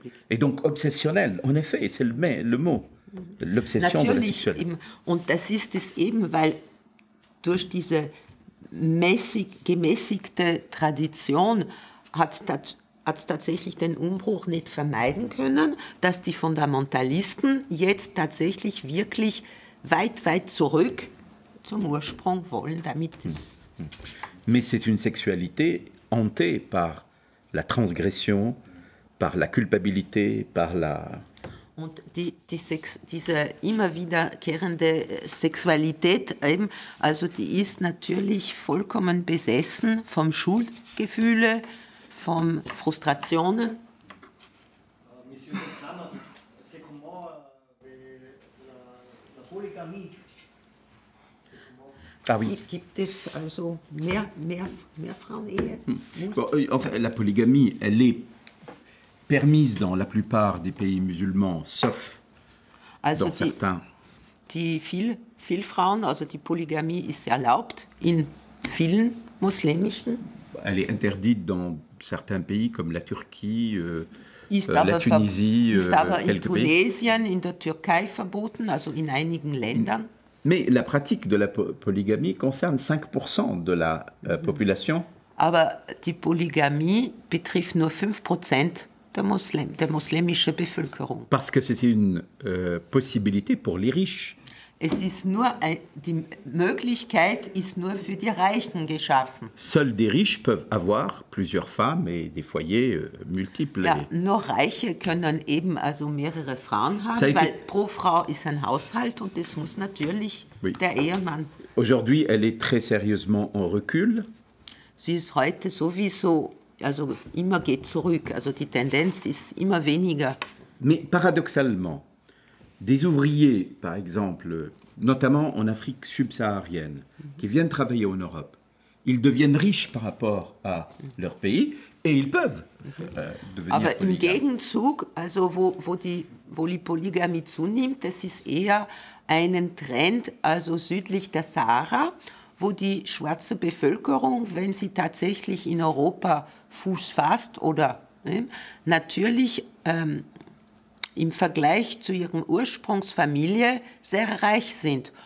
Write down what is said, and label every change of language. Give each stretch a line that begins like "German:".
French: Et donc obsessionnel, en effet, c'est le mot, l'obsession de la sexualité.
German: Und das ist es eben, weil durch diese gemäßigte Tradition hat es tatsächlich den Umbruch nicht vermeiden können, dass die Fundamentalisten jetzt tatsächlich wirklich weit, weit zurück zum Ursprung wollen, damit es...
French: Mais c'est une sexualité hantée par la transgression, par la culpabilité, par la...
German: Und diese immer wiederkehrende Sexualität, eben, also die ist natürlich vollkommen besessen vom Schuldgefühl, vom Frustrationen.
French: Monsieur Dexlam, c'est comme moi, la polygamie. Ah oui.
German: Gibt es also mehr Frauen-Ehe?
French: La polygamie, elle est permise dans la plupart des pays musulmans, sauf
German: also
French: dans certains.
German: Viele Frauen, also die Polygamie ist erlaubt in vielen muslimischen.
French: Elle est interdite dans certains pays comme la Turquie, la Tunisie, quelques pays.
German: In Tunesien, in der Türkei verboten, also in einigen Ländern.
French: Mais la pratique de la polygamie concerne 5% de la population.
German: Aber die Polygamie betrifft nur 5% der muslimischen Bevölkerung.
French: Parce que c'est une possibilité pour les riches.
German: Es ist nur die Möglichkeit ist nur für die Reichen geschaffen.
French: Seuls des riches peuvent avoir plusieurs femmes et des foyers multiples.
German: Ja, nur Reiche können eben also mehrere Frauen haben, weil pro Frau ist ein Haushalt und das muss natürlich der Ehemann.
French: Aujourd'hui, elle est très sérieusement en recul.
German: Sie ist heute sowieso, also immer geht zurück, also die Tendenz ist immer weniger.
French: Mais paradoxalement, des ouvriers, par exemple, notamment en Afrique subsaharienne, qui viennent travailler en Europe, ils deviennent riches par rapport à leur pays et ils peuvent devenir polygames.
German: Aber im Gegenzug, also wo die Polygamie zunimmt, das ist eher einen Trend, also südlich der Sahara, wo die schwarze Bevölkerung, wenn sie tatsächlich in Europa Fuß fasst oder natürlich im Vergleich zu ihrer Ursprungsfamilie sehr reich sind.